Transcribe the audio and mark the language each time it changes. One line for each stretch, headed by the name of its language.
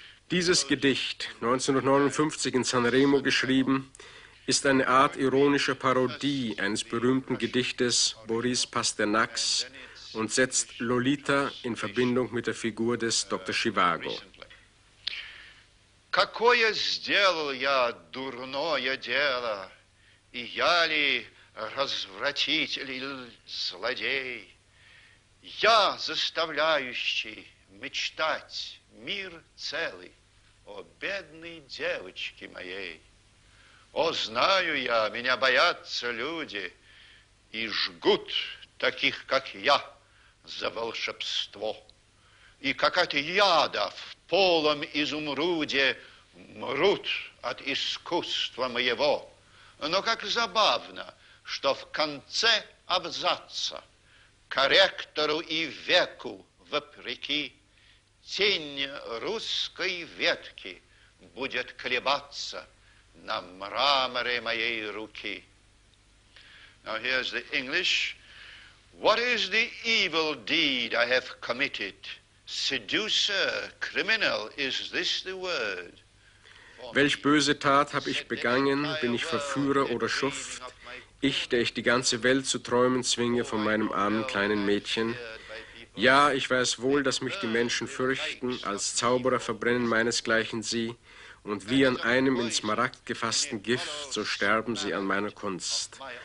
German: Dieses Gedicht, 1959 in Sanremo geschrieben, ist eine Art ironische Parodie eines berühmten Gedichtes Boris Pasternaks und setzt Lolita in Verbindung mit der Figur des Dr. Zhivago.
Russian: Какое сделал я дурное дело, и я ли развратитель или злодей? Я заставляющий мечтать мир целый, о бедной девочке моей. О, знаю я, меня боятся люди и жгут таких, как я, за волшебство. И как от яда в полом изумруде мрут от искусства моего. Но как забавно, что в конце абзаца корректору и веку вопреки тень русской ветки будет колебаться на мраморе моей руки.
English: Now here's the English. What is the evil deed I have committed? Seducer, criminal, is this the word?
German: Welch böse Tat habe ich begangen, bin ich Verführer oder Schuft? Ich, der ich die ganze Welt zu träumen zwinge von meinem armen kleinen Mädchen. Ja, ich weiß wohl, dass mich die Menschen fürchten, als Zauberer verbrennen meinesgleichen sie, und wie an einem in Smaragd gefassten Gift, so sterben sie an meiner Kunst.